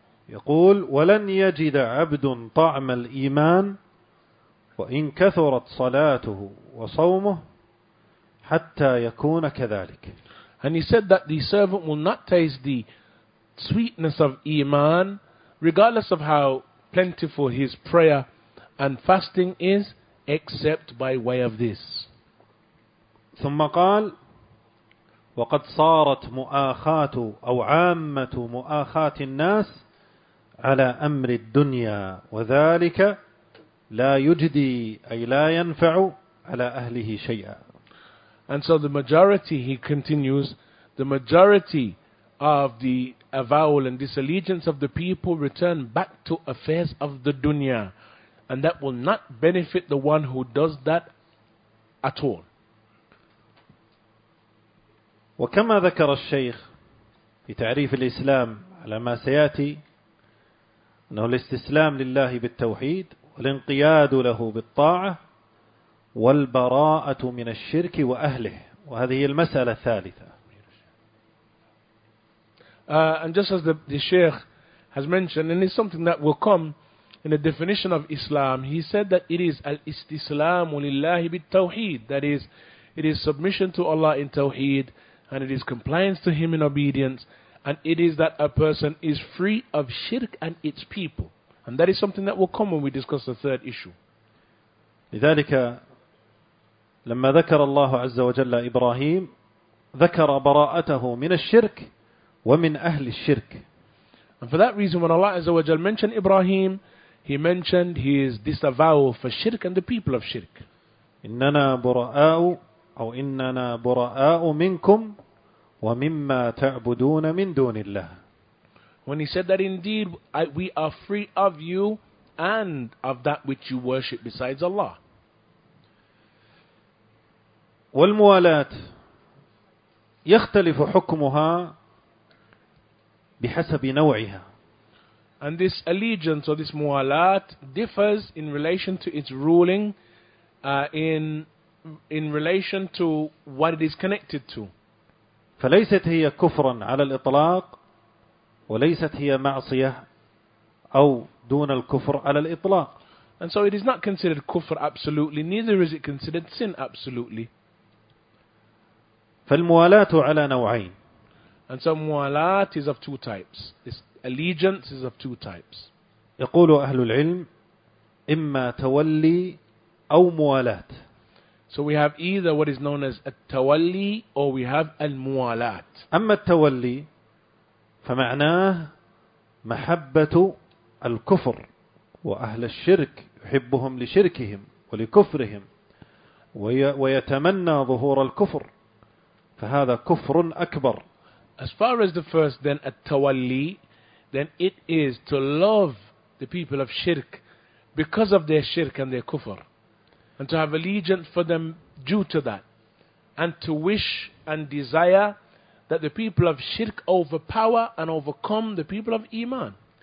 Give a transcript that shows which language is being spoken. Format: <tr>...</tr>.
<ar>يقول: ولن يجد عبد طعم الإيمان وإن كثرت صلاته وصومه حتى يكون كذلك.</ar> <en>And he said that the servant will not taste the sweetness of iman, regardless of how plentiful his prayer and fasting is except by way of this.</en> <ar>ثم قال وقد صارت مؤاخاة أو عامة مؤاخاة الناس على أمر الدنيا وذلك لا يجدي أي لا ينفع على أهله شيئا.</ar> <en>And so the majority, he continues, the majority of the avowal and disallegiance of the people return back to affairs of the dunya, and that will not benefit the one who does that at all.</en> <ar>وكما ذكر الشيخ في تعريف الإسلام على ما سيأتي أنه الاستسلام لله بالتوحيد والانقياد له بالطاعة والبراءة من الشرك وأهله وهذه المسألة الثالثة.</ar> <en>And just as the Sheikh has mentioned, and it's something that will come in the definition of Islam, he said that it is</en> <ar>al-istislam lillahi bit-tawheed,</ar> <en>that is, it is submission to Allah in tawheed, and it is compliance to Him in obedience, and it is that a person is free of shirk and its people. And that is something that will come when we discuss the third issue.</en> <ar>لذلك لما ذكر الله عز وجل إبراهيم ذكر براءته من الشرك ومن أهل الشرك.</ar> <en>And for that reason, when Allah Azza wa Jal mentioned Ibrahim, He mentioned his disavowal for shirk and the people of shirk.</en> <ar>إننا براء أو إننا براء منكم ومما تعبدون من دون الله.</ar> <en>When he said that indeed we are free of you and of that which you worship besides Allah.</en> <ar>والموالاة يختلف حكمها بحسب نوعها.</ar> <en>And this allegiance or this muwalat differs in relation to its ruling in relation to what it is connected to.</en> <ar>فليست هي كفرا على الإطلاق وليست هي معصية أو دون الكفر على الإطلاق.</ar> <en>And so it is not considered kufr absolutely, neither is it considered sin absolutely.</en> <ar>فالموالاة على نوعين.</ar> <en>And so muwalat is of two types. This allegiance is of two types.</en> <ar>يقول أهل العلم إما تولي أو موالات.</ar> <en>So we have either what is known as التولي or we have الموالات.</en> <ar>أما التولي فمعناه محبة الكفر وأهل الشرك يحبهم لشركهم ولكفرهم ويتمنى ظهور الكفر فهذا كفر أكبر.</ar> <en>As far as the first, then at-tawalli, then it is to love the people of shirk because of their shirk and their kufr, and to have allegiance for them due to that, and to wish and desire that the people of shirk overpower and overcome the people of iman.</en>